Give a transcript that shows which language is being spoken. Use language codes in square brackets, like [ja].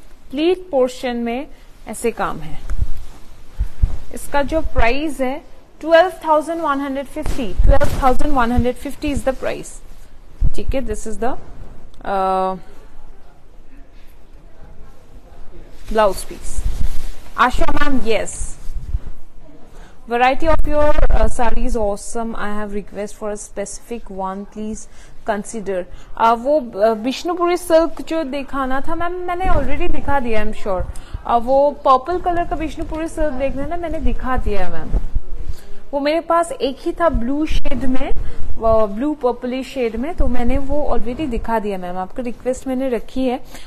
[hi] Pleat portion में ऐसे काम है। इसका जो प्राइस है 12,150 [en] is the price, [hi] ठीक है। [en] This is the blouse piece. Asha ma'am yes, variety of your sarees awesome, I have request for a specific one, please consider। [hi] वो बिश्नुपुरी सिल्क जो दिखाना था मैम, मैंने ऑलरेडी दिखा दिया, [en] I am sure. [hi] वो पर्पल कलर का बिश्नुपुरी सिल्क देखना ना, मैंने दिखा दिया है मैम। वो मेरे पास एक ही था ब्लू शेड में, ब्लू पर्पली शेड में, तो मैंने वो ऑलरेडी दिखा दिया मैम, आपका रिक्वेस्ट मैंने रखी है।